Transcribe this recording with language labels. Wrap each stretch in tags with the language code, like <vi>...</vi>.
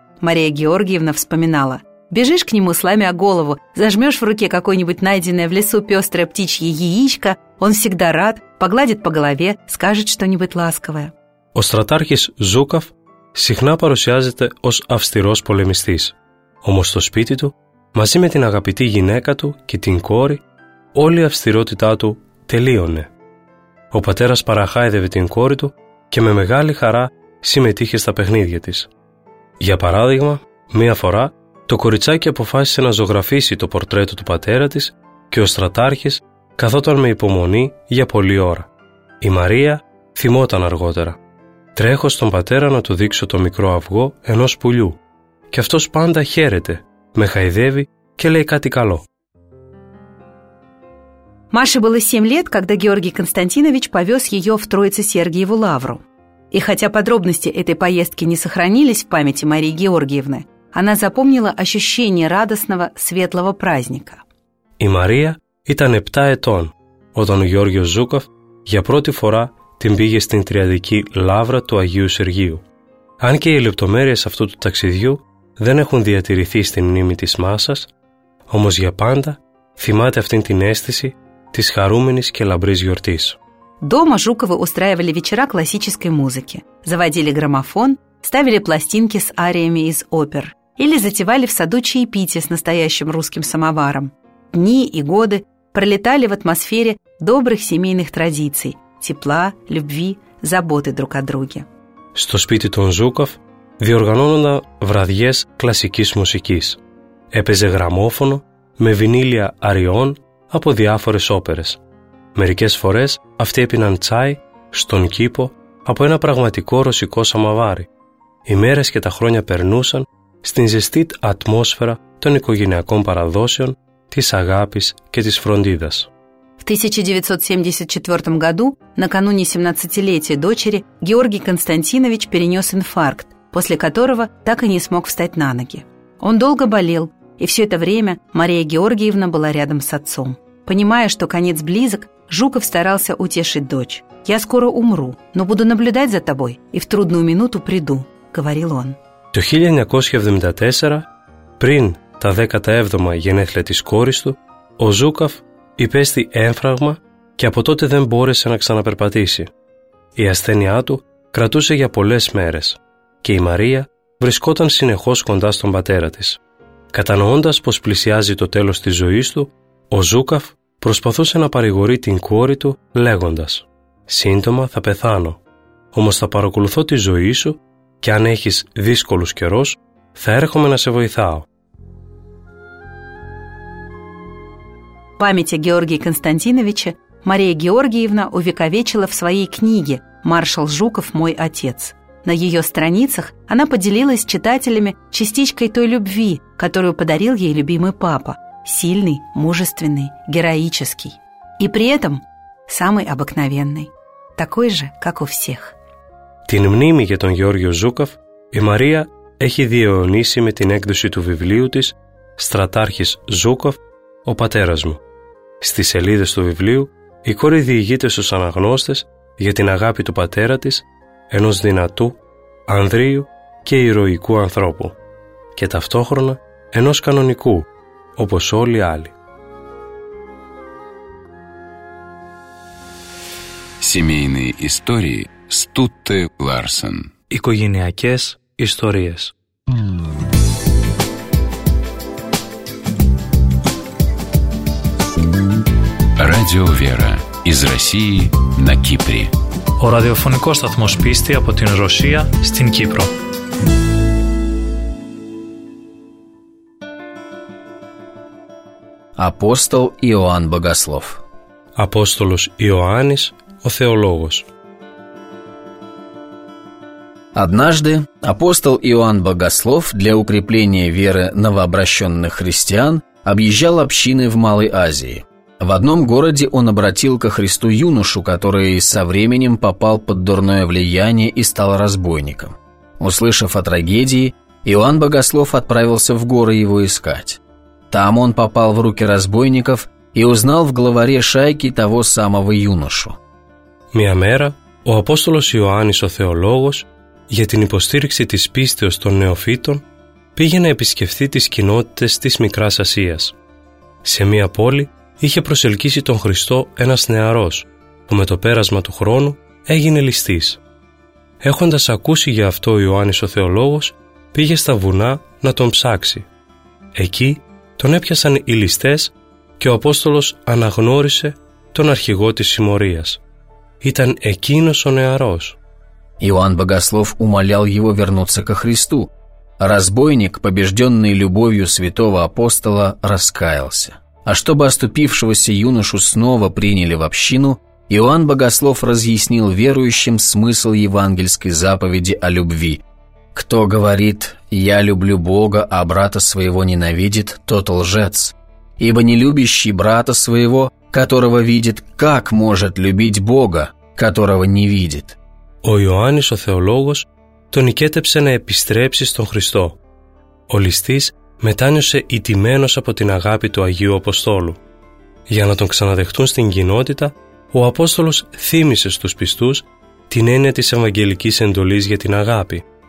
<ru>Мария Георгиевна вспоминала: «Бежишь к нему, сломя голову, зажмешь в руке какое-нибудь найденное в лесу пестрое птичье яичко, он всегда рад, погладит по голове, скажет что-нибудь ласковое».</ru> <el>Ο στρατάρχης Ζούκοφ συχνά παρουσιάζεται ως αυστηρός πολεμιστής. Όμως στο σπίτι του, μαζί με την αγαπητή γυναίκα του και την κόρη, όλη η αυστηρότητά του τελείωνε. Ο πατέρας παραχάιδευε την κόρη του και με μεγάλη χαρά συμμετείχε στα παιχνίδια της. Για παράδειγμα, μία φορά το κοριτσάκι αποφάσισε να ζωγραφίσει το πορτρέτο του πατέρα της και ο στρατάρχης καθόταν με υπομονή για πολλή ώρα. Η Μαρία θυμόταν αργότερα. «Τρέχω στον πατέρα να του δείξω το μικρό αυγό ενός πουλιού. Και αυτός πάντα χαίρεται, με χαϊδεύει και λέει κάτι καλό».</el> <ru>Маше было 7 лет, когда Георгий Константинович повез ее в Троице-Сергиеву лавру. И хотя подробности этой поездки не сохранились в памяти Марии Георгиевны, она запомнила ощущение радостного, светлого праздника. И</ru> <el>Мария ήταν 7 ετών, όταν ο Γιώργος Ζούκοφ για πρώτη φορά την πήγε στην Τριαδική Λαύρα του Αγίου Σεργίου. Αν και οι λεπτομέρειες αυτού του ταξιδιού δεν έχουν διατηρηθεί στην μνήμη της Μάσας, όμως για πάντα θυμάται αυτήν την αίσθηση της χαρούμενης και λαμπρής γιορτής.</el> <ru>Дома Жуковы устраивали вечера классической музыки, заводили граммофон, ставили пластинки с ариями из опер или затевали в саду чаепитие с настоящим русским самоваром. Дни и годы пролетали в атмосфере добрых семейных традиций, тепла, любви, заботы друг о друге.</ru> <el>Στο σπίτι των Ζούκοφ διοργανώνονταν βραδιές κλασικής μουσικής. Έπαιζε γραμμόφωνο με βινίλια αριών από διάφορες όπερες. Μερικές φορές αυτοί έπιναν τσάι στον κήπο από ένα πραγματικό ρωσικό σαμαβάρι. Οι μέρες και τα χρόνια περνούσαν στην ζεστή ατμόσφαιρα των οικογενειακών παραδόσεων, της αγάπης και της φροντίδας.</el> <ru>В 1974 году, накануне 17-летия дочери, Георгий Константинович перенес инфаркт, после которого так и не смог встать на ноги. Он долго болел, и все это время Мария Георгиевна была рядом с отцом. Понимая, что конец близок, Жуков старался утешить дочь. «Я скоро умру, но буду наблюдать за тобой и в трудную минуту приду», — говорил он.</ru> <el>Το 1974, πριν τα 17 γενέθλια της κόρης του, ο Ζούκοφ υπέστη έμφραγμα και από τότε δεν μπόρεσε να ξαναπερπατήσει. Η ασθένειά του κρατούσε για πολλές μέρες και η Μαρία βρισκόταν συνεχώς κοντά στον πατέρα της. Κατανοώντας πως πλησιάζει το τέλος της ζωής του, ο Ζούκοφ προσπαθούσε να παρηγορεί την κόρη του λέγοντας: «Σύντομα θα πεθάνω, όμως θα παρακολουθώ τη ζωή σου και αν έχεις δύσκολους καιρούς, θα έρχομαι να σε βοηθάω».</el> <ru>Память о Георгии Константиновиче Мария Георгиевна увековечила в своей книге «Маршал Жуков. Мой отец». На ее страницах она поделилась с читателями частичкой той любви, которую подарил ей любимый папа – сильный, мужественный, героический. И при этом самый обыкновенный, такой же, как у всех.</ru> <el>Την мнимη για τον Γιώργιο Ζούκοφ η Μαρία έχει διαιωνίσει με την έκδοση του βιβλίου της «Στρατάρχης Ζούκοφ, ο πατέρας μου». Στις σελίδες του βιβλίου, η κόρη διηγείται στους αναγνώστες για την αγάπη του πατέρα της, ενός δυνατού, ανδρείου και ηρωικού ανθρώπου, και ταυτόχρονα ενός κανονικού, όπως όλοι οι άλλοι.</el> <ru>Семейные истории Стутте Ларсен.</ru> <el>Οικογενειακές ιστορίες.</el> <ru>Радио Вера из России на Кипре.</ru> <el>Ο ραδιοφωνικός σταθμός πίστη από την Ρωσία στην Κύπρο.</el> <ru>Апостол Иоанн Богослов.</ru> <el>Апостолος Ιωάννης, ο θεολόγος.</el> <ru>Однажды апостол Иоанн Богослов для укрепления веры новообращенных христиан объезжал общины в Малой Азии. В одном городе он обратил ко Христу юношу, который со временем попал под дурное влияние и стал разбойником. Услышав о трагедии, Иоанн Богослов отправился в горы его искать. Там он попал в руки разбойников и узнал в главаре шайки того самого юношу.</ru> <el>Μια μέρα, ο Απόστολος Ιωάννης ο Θεολόγος, για την υποστήριξη της πίστεως των νεοφύτων, πήγε να επισκεφθεί τις κοινότητες της Μικράς Ασίας. Σε μια πόλη είχε προσελκύσει τον Χριστό ένας νεαρός, που με το πέρασμα του χρόνου έγινε ληστής. Έχοντας ακούσει για αυτό ο Ιωάννης ο Θεολόγος, πήγε στα βουνά να τον ψάξει. Εκεί τον έπιασαν οι ληστές και ο Απόστολος αναγνώρισε τον αρχηγό της συμμορίας. Ήταν εκείνος ο νεαρός.</el> <ru>Иоанн Богослов умолял его вернуться ко Христу. Разбойник, побежденный любовью святого апостола, раскаялся. А чтобы оступившегося юношу снова приняли в общину, Иоанн Богослов разъяснил верующим смысл евангельской заповеди о любви. «Кто говорит, я люблю Бога, а брата своего ненавидит, тот лжец. Ибо не любящий брата своего, которого видит, как может любить Бога, которого не видит?»</ru> <el>Ο Ιωάννης ο Θεολόγος τον οικέτεψε να επιστρέψει στον Χριστό. Ο ληστής μετάνιωσε ιτημένος από την αγάπη του Αγίου Αποστόλου. Για να τον ξαναδεχτούν στην κοινότητα, ο Απόστολος θύμισε στους πιστούς την έννοια της Ευαγγελικής εντολής για την αγάπη.</el>